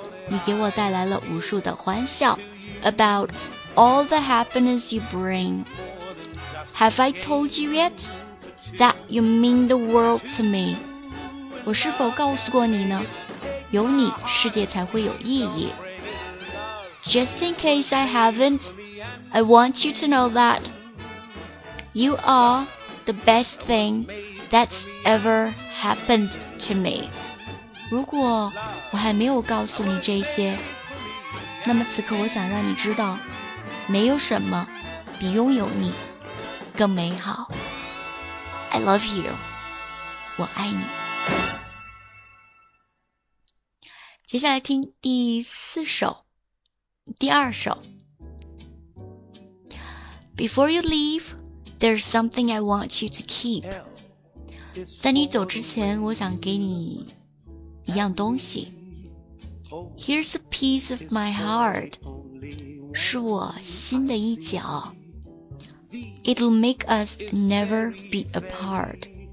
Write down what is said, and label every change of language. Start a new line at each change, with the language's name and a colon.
Chinese: 你给我带来了无数的欢笑。
English: About all the happiness you bring. Have I told you yet that you mean the world to me?
Chinese: 我是否告诉过你呢？有你，世界才会有意义。
English: Just in case I haven't, I want you to know that you are the best thing that's ever happened to me.
Chinese: 如果我还没有告诉你这些，那么此刻我想让你知道，没有什么比拥有你更美好。
English: I love you.
Chinese: 我爱你。接下来听第四首，第二首。
English: Before you leave, there's something I want you to keep.
Chinese: 在你走之前，我想给你一样东西。
English: Here's a piece of my heart.
Chinese: 是我心的一角。
English: It'll make us never be apart.